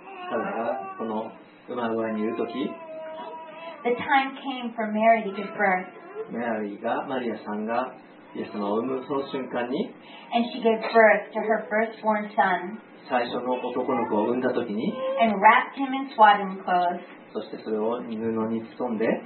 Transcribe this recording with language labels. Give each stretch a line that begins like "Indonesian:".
Japanese: 彼女がこの馬小屋にいるとき、
English: The time came for Mary to give birth.
Japanese: Mary が、マリアさんが、イエス様を産むその瞬間に、
English: And she gave birth to her firstborn son.
Japanese: 最初の男の子を産んだ時に、
English: And wrapped him in swaddling clothes.
Japanese: そしてそれを布に包んで、